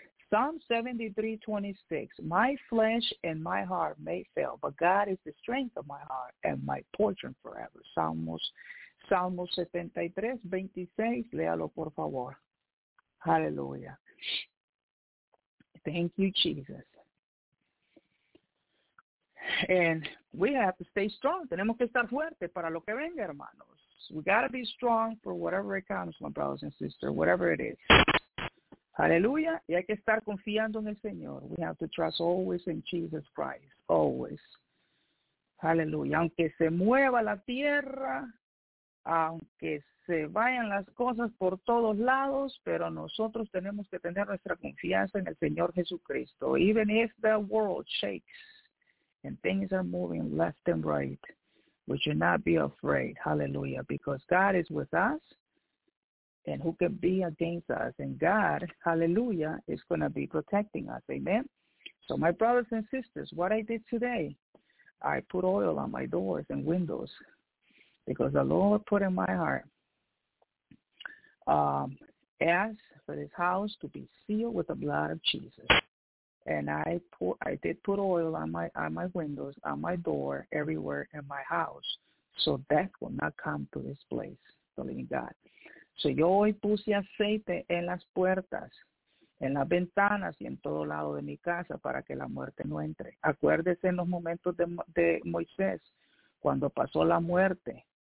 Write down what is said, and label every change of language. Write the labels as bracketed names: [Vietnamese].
[English] Psalm 73:26, my flesh and my heart may fail, but God is the strength of my heart and my portion forever. [Spanish] Salmos 73:26, léalo por favor. Hallelujah. [English] Thank you, Jesus. And we have to stay strong. [Spanish] Tenemos que estar fuertes para lo que venga, hermanos. [English] We got to be strong for whatever it comes, my brothers and sisters, whatever it is. Hallelujah. [Spanish] Y hay que estar confiando en el Señor. [English] We have to trust always in Jesus Christ. Always. Aleluya. [Spanish] Aunque se mueva la tierra, aunque se vayan las cosas por todos lados, pero nosotros tenemos que tener nuestra confianza en el Señor Jesucristo. [English] Even if the world shakes and things are moving left and right, we should not be afraid. Hallelujah. Because God is with us, and who can be against us? And God, hallelujah, is going to be protecting us. Amen. So my brothers and sisters, what I did today, I put oil on my doors and windows. Because the Lord put in my heart, ask for this house to be sealed with the blood of Jesus. And I did put oil on my windows, on my door, everywhere in my house, so death will not come to this place, the living God. [Spanish] So yo hoy puse aceite en las puertas, en las ventanas y en todo lado de mi casa para que la muerte no entre. Acuérdese en los momentos de Moisés, cuando pasó la muerte.